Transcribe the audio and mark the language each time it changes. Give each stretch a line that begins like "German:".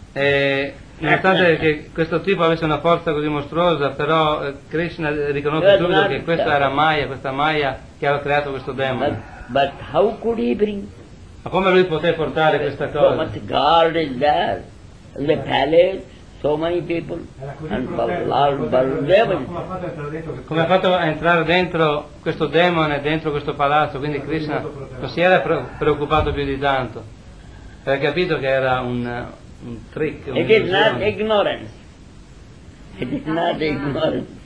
Italian: Nonostante che questo tipo avesse una forza così mostruosa, però Krishna riconosce subito che questa era Maya, questa Maya che aveva creato questo demone.
English: But how could he bring?
Italian: Ma come lui poteva portare questa cosa?
English: So much God is there, in the palace, so many people, and
Italian: come ha fatto a entrare dentro questo demone, dentro questo palazzo, quindi Krishna non si era preoccupato più di tanto. Aveva capito che era un trick,
English: it is not ignorance. It is not ignorance.